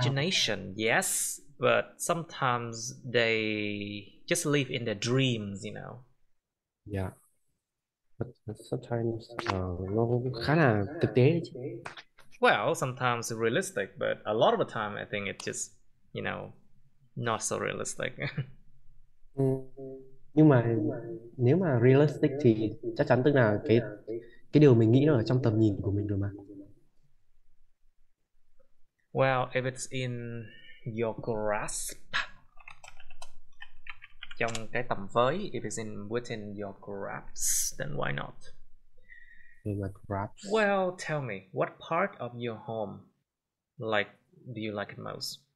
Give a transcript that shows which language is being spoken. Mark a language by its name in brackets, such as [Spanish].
[English] imagination, yes, but sometimes they just live in their dreams, you know. Yeah. But sometimes [Vietnamese] nó khá là thực tế chứ. [English] Well, sometimes realistic, but a lot of the time I think it's just, you know, not so realistic. [Vietnamese] Nhưng mà nếu mà realistic thì chắc chắn tức là cái điều mình nghĩ nó ở trong tầm nhìn của mình rồi mà. [English] Well, if it's in your grasp, [Vietnamese] trong cái tầm với, [English] if it's in within your grasp, then why not? Like wraps. Well, tell me, what part of your home, like, do you like it most?